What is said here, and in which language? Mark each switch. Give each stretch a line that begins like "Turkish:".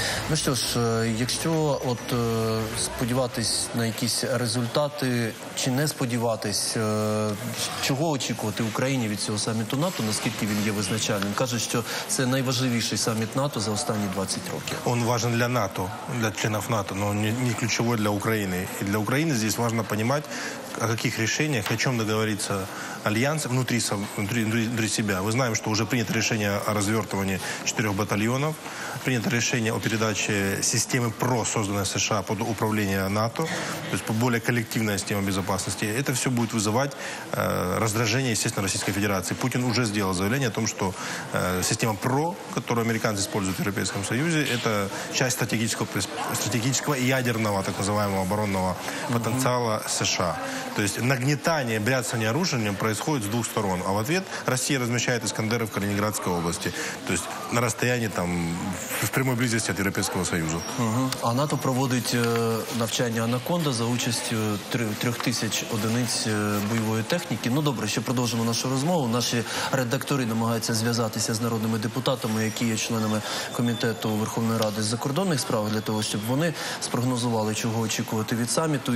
Ukrainian: Ну що ж, якщо от сподіватись на якісь результати, чи не сподіватись, чого очікувати Україні від цього саміту НАТО, наскільки він є визначальним? Каже, що це найважливіший саміт НАТО за останні 20 років. Він важливий для НАТО, для членів НАТО, але не ключовий для Украины.
Russian: И для Украины здесь важно понимать, о каких решениях, о чем договорится альянс внутри себя. Мы знаем, что уже принято решение о развертывании 4 батальонов, принято решение о передаче системы ПРО, созданной США под управление НАТО, то есть более коллективная система безопасности. Это все будет вызывать раздражение, естественно, Российской Федерации. Путин уже сделал заявление о том, что система ПРО, которую американцы используют в Европейском Союзе, это часть стратегического и ядерного, так называемого, оборонного потенциала США. То есть нагнетание, бряцание оружием происходит с двух сторон. А в ответ Россия размещает «Искандеры» в Калининградской области. То есть на расстоянии там, в прямой близости от Европейского Союза. А НАТО проводит
Ukrainian: навчання «Анаконда» за участью 3000 одиниць бойової техніки. Ну, добре, ще продовжимо нашу розмову. Наші редактори намагаються зв'язатися з народними депутатами, які є членами Комітету Верховної Ради з закордонних справ, для того, щоб вони спрогнозували, чого очікувати від саміту.